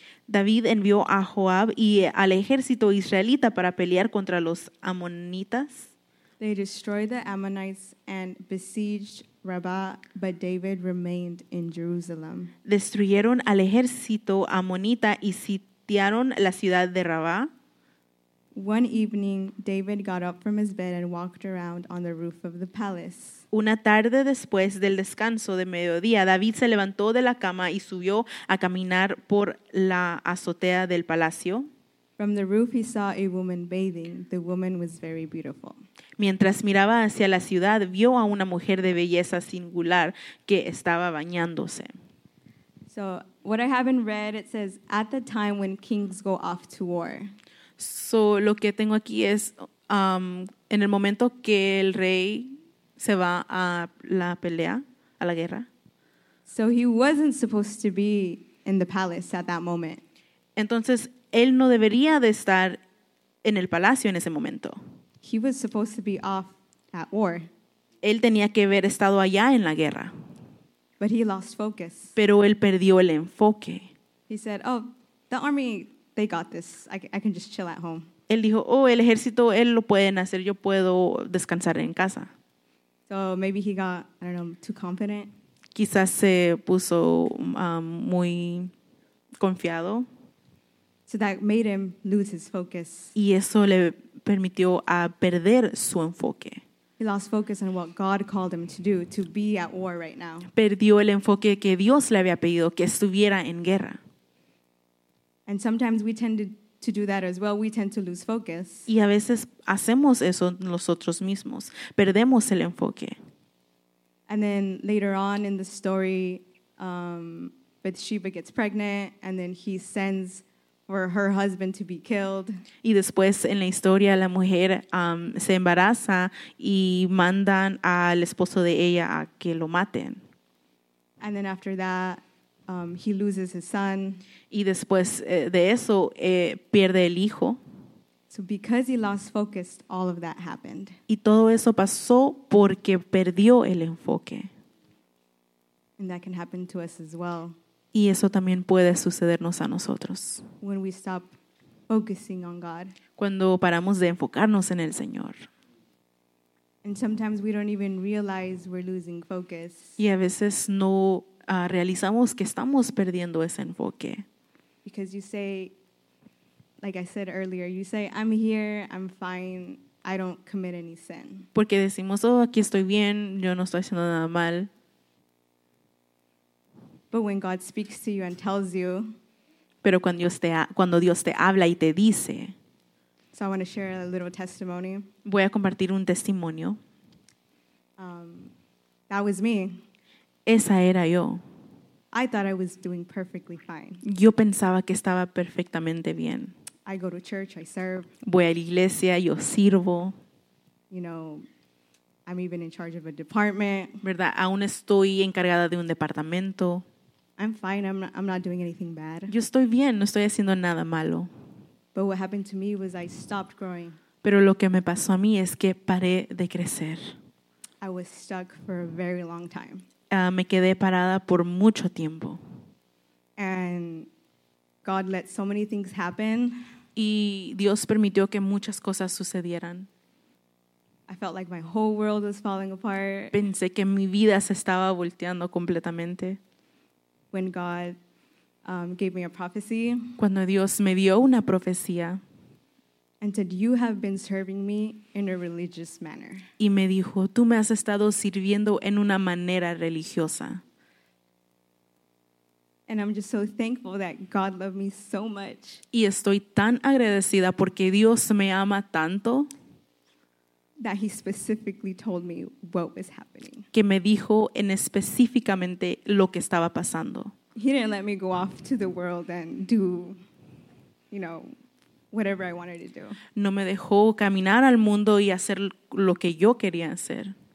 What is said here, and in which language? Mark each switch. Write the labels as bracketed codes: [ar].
[es] David envió a Joab y al ejército israelita para pelear contra los amonitas. [en] They destroyed the Ammonites and besieged Rabbah, but David remained in Jerusalem. [es] Destruyeron al ejército amonita y sitiaron la ciudad de Rabbah. [en] One evening, David got up from his bed and walked around on the roof of the palace. [es] Una tarde después del descanso de mediodía, David se levantó de la cama y subió a caminar por la azotea del palacio. [en] From the roof, he saw a woman bathing. The woman was very beautiful. [es] Mientras miraba hacia la ciudad, vio a una mujer de belleza singular que estaba bañándose. [en] So, what I haven't read, it says, at the time when kings go off to war. [es] So, lo que tengo aquí es, en el momento que el rey se va a la pelea, a la guerra. [en] So he wasn't supposed to be in the palace at that moment. [es] Entonces, él no debería de estar en el palacio en ese momento. [en] He was supposed to be off at war. [es] Él tenía que haber estado allá en la guerra. [en] But he lost focus. [es] Pero él perdió el enfoque. [en] He said, oh, the army, they got this. I can just chill at home. [es] Él dijo, oh, el ejército, él lo pueden hacer. Yo puedo descansar en casa. [en] So maybe he got, I don't know, too confident. [es] Quizás se puso muy confiado. [en] So that made him lose his focus. [es] Y eso le permitió a perder su enfoque. [en] He lost focus on what God called him to do, to be at war right now. [es] Perdió el enfoque que Dios le había pedido, que estuviera en guerra. [en] And sometimes we tend to do that as well. We tend to lose focus. [es] Y a veces hacemos eso nosotros mismos. Perdemos el enfoque. [en] And then later on in the story, Bathsheba gets pregnant, and then he sends for her husband to be killed. [es] Y después en la historia la mujer se embaraza y mandan al esposo de ella a que lo maten. [en] And then after that, he loses his son. [es] Y después de eso, pierde el hijo. [en] So because he lost focus, all of that happened. [es] Y todo eso pasó porque perdió el enfoque. [en] And that can happen to us as well. [es] Y eso también puede sucedernos a nosotros. [en] When we stop focusing on God. [es] Cuando paramos de enfocarnos en el Señor. [en] And sometimes we don't even realize we're losing focus. [es] Y a veces no realizamos que estamos perdiendo ese enfoque. [en] Because you say, like I said earlier, you say, I'm here, I'm fine, I don't commit any sin. [es] Porque decimos, oh, aquí estoy bien, yo no estoy haciendo nada mal. [en] But when God speaks to you and tells you, [es] pero cuando Dios te habla y te dice, [en] so I want to share a little testimony. [es] Voy a compartir un testimonio. [en] That was me. [es] Esa era yo. [en] I thought I was doing perfectly fine. [es] Yo pensaba que estaba perfectamente bien. [en] I go to church, I serve. [es] Voy a la iglesia, yo sirvo. [en] You know, I'm even in charge of a department. [es] ¿Verdad? Aún estoy encargada de un departamento. [en] I'm fine. I'm not doing anything bad. [es] Yo estoy bien, no estoy haciendo nada malo. [en] But what happened to me was I stopped growing. [es] Pero lo que me pasó a mí es que paré de crecer. [en] I was stuck for a very long time. [es] Me quedé parada por mucho tiempo. [en] And God let so many things happen. [es] Y Dios permitió que muchas cosas sucedieran. [en] I felt like my whole world was falling apart. [es] Pensé que mi vida se estaba volteando completamente. [en] When God gave me a prophecy. [es] Cuando Dios me dio una profecía. [en] And said, you have been serving me in a religious manner. [es] Y me dijo, tú me has estado sirviendo en una manera religiosa. [en] And I'm just so thankful that God loved me so much. [es] Y estoy tan agradecida porque Dios me ama tanto. [en] That he specifically told me what was happening. [es] Que me dijo en específicamente lo que estaba pasando. [en] He didn't let me go off to the world and do, you know, whatever I wanted to do. [es] No me dejó caminar al mundo y hacer lo que yo quería hacer.